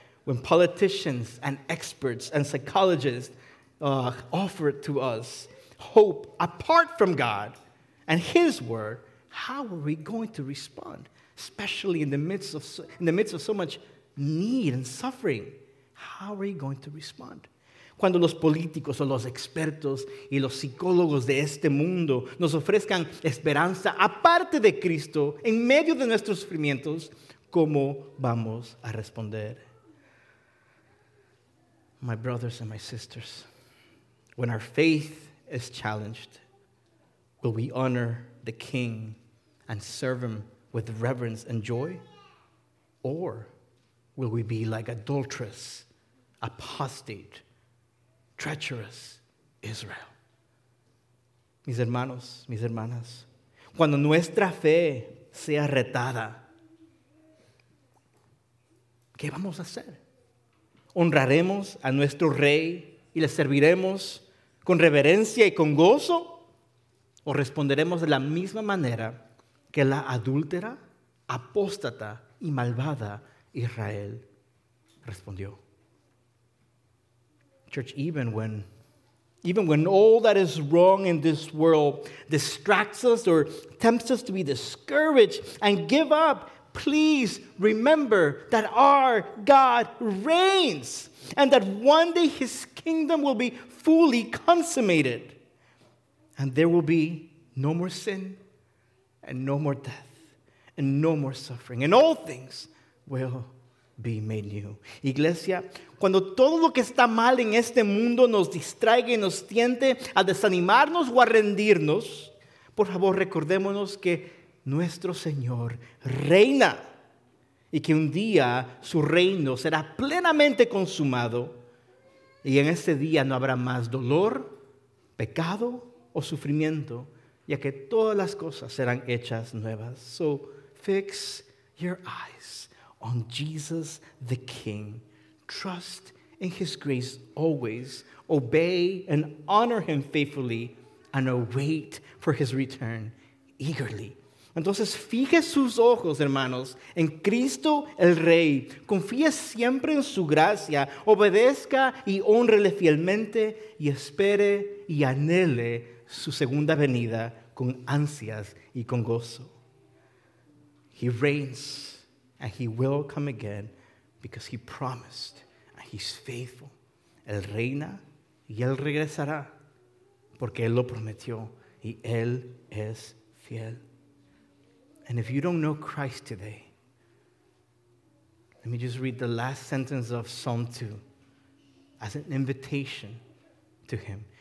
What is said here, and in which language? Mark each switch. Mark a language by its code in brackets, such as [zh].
[en] When politicians and experts and psychologists offer to us hope apart from God and his word, how are we going to respond? Especially in the midst of so much need and suffering, how are we going to respond? [es] Cuando los políticos o los expertos y los psicólogos de este mundo nos ofrezcan esperanza aparte de Cristo en medio de nuestros sufrimientos, ¿cómo vamos a responder? [en] My brothers and my sisters, when our faith is challenged, will we honor the King and serve him with reverence and joy? Or will we be like adulterous, apostate, treacherous Israel? [es] Mis hermanos, mis hermanas, cuando nuestra fe sea retada, ¿qué vamos a hacer? ¿Honraremos a nuestro rey y le serviremos con reverencia y con gozo? ¿O responderemos de la misma manera que la adúltera, apóstata y malvada Israel respondió? [en] Church, even when all that is wrong in this world distracts us or tempts us to be discouraged and give up, please remember that our God reigns and that one day his kingdom will be fully consummated and there will be no more sin and no more death and no more suffering and all things will be made new. [es] Iglesia, cuando todo lo que está mal en este mundo nos distraiga y nos tiente a desanimarnos o a rendirnos, por favor recordémonos que nuestro Señor reina y que un día su reino será plenamente consumado y en ese día no habrá más dolor, pecado o sufrimiento, ya que todas las cosas serán hechas nuevas. [en] So fix your eyes on Jesus the King. Trust in his grace always. Obey and honor him faithfully and await for his return eagerly. [es] Entonces, fije sus ojos, hermanos, en Cristo el Rey. Confíe siempre en su gracia. Obedezca y honrele fielmente y espere y anhele su segunda venida con ansias y con gozo. [en] He reigns and he will come again because he promised and he's faithful. [es] Él reina y él regresará porque él lo prometió y él es fiel. [en] And if you don't know Christ today, let me just read the last sentence of Psalm 2 as an invitation to him.